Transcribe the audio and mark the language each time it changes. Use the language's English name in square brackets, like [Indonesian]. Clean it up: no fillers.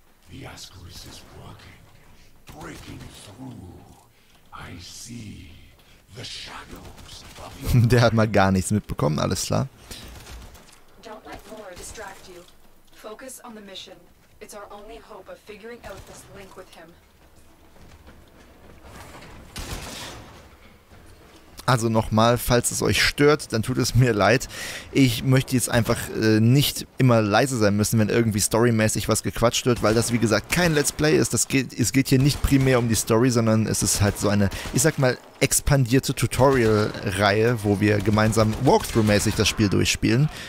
[English] The Ascaris is working, breaking through. I see the shadows. [German] Der hat mal gar nichts mitbekommen, alles klar. [English] Don't let Laura distract you. Focus on the mission. It's our only hope of figuring out this link with him. [German] Also nochmal, falls es euch stört, dann tut es mir leid. Ich möchte jetzt einfach nicht immer leise sein müssen, wenn irgendwie storymäßig was gequatscht wird, weil das wie gesagt kein Let's Play ist. Es geht hier nicht primär um die Story, sondern es ist halt so eine, ich sag mal, expandierte Tutorial-Reihe, wo wir gemeinsam Walkthrough-mäßig das Spiel durchspielen.